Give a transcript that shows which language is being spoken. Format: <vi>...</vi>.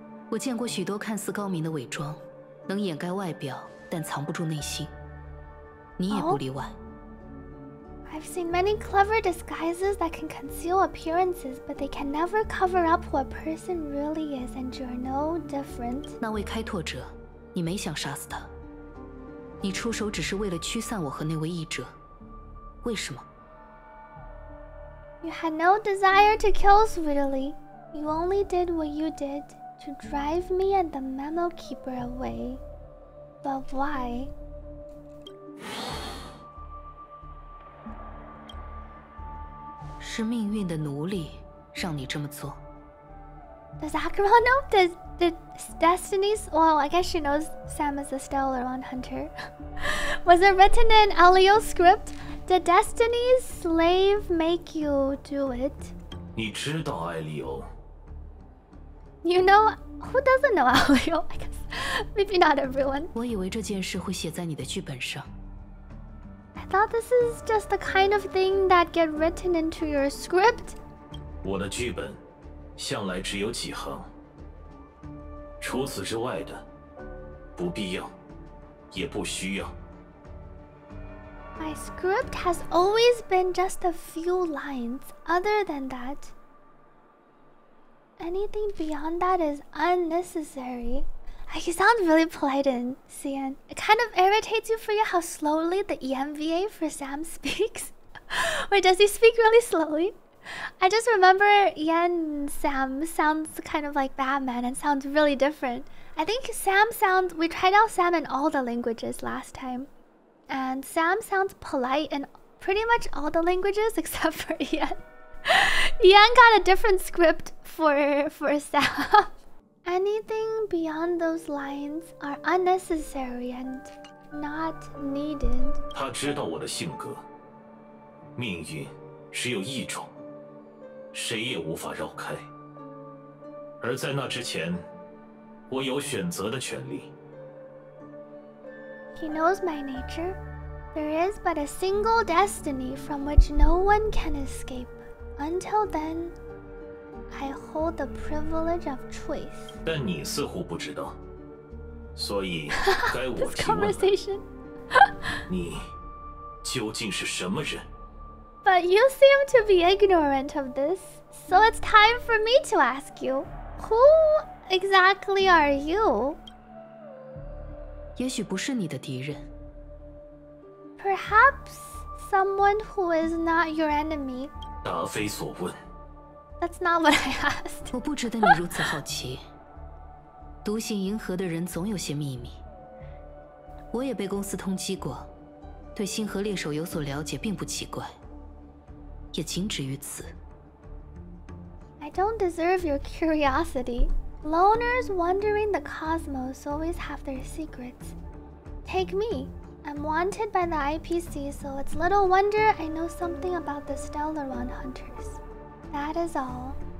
<zh>我见过许多看似高明的伪装，能掩盖外表，但藏不住内心。你也不例外。</zh> <en>I've seen many clever disguises that can conceal appearances, but they can never cover up who a person really is, and you're no different.</en> <zh>那位开拓者，你没想杀死他。你出手只是为了驱散我和那位异者。为什么？</zh> <en>You had no desire to kill Sweetly. You only did what you did to drive me and the memo keeper away. But why?</en> <zh>是命运的奴隶让你这么做。</zh> <en>Does Acheron know? Does Destiny's... Well, I guess she knows Sam is a stellar one hunter. Was it written in Elio's script? Did Destiny's slave make you do it?</en> <zh>你知道 Elio.</zh> <en>You know... Who doesn't know Elio? I guess... Maybe not everyone.</en> <zh>我以为这件事会写在你的剧本上。</zh> <en>I thought this is just the kind of thing that get written into your script.</en> <zh>我的剧本向来只有几行，除此之外的不必要也不需要。</zh> <en>My script has always been just a few lines. Other than that, anything beyond that is unnecessary. He sounds really polite in CN. It kind of irritates you for you how slowly the EMVA for Sam speaks. Wait, does he speak really slowly? I just remember Yen Sam sounds kind of like Batman and sounds really different. I think Sam sounds... We tried out Sam in all the languages last time. And Sam sounds polite in pretty much all the languages except for Yen. Yen got a different script for Sam. Anything beyond those lines are unnecessary and not needed.</en> <zh>他知道我的性格，命运只有一种，谁也无法绕开。而在那之前，我有选择的权利。</zh> <en>He knows my nature. There is but a single destiny from which no one can escape. Until then, I hold the privilege of choice.</en> <zh>但你似乎不知道，所以该我提问了。</zh> <en>This conversation.</en> <zh>你究竟是什么人？</zh> <en>But you seem to be ignorant of this. So it's time for me to ask you. Who exactly are you?</en> <zh>也许不是你的敌人。</zh> <en>Perhaps someone who is not your enemy.</en> <zh>答非所问。</zh> <en>That's not what I asked.</en> <zh>我不值得你如此好奇。独行银河的人总有些秘密。我也被公司通缉过，对星河猎手有所了解并不奇怪，也仅止于此。</zh> <en>I don't deserve your curiosity. Loners wandering the cosmos always have their secrets. Take me. I'm wanted by the IPC, so it's little wonder I know something about the Stellar One Hunters. That is all.</en>